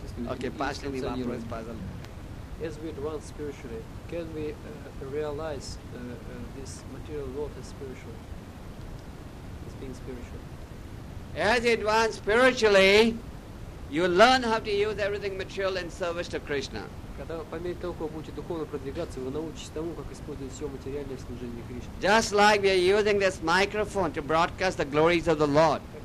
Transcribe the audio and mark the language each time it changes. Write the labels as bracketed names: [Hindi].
[Russian] Okay, последний вопрос, Basil. [English] As we advance spiritually, can we realize this material world as spiritual, as being spiritual? As you advance spiritually, you learn how to use everything material in service to Krishna. [Russian] Когда по мере того, как будете духовно продвигаться, вы научитесь тому, как использовать все материальное в служении Кришне. [English] Just like we are using this microphone to broadcast the glories of the Lord.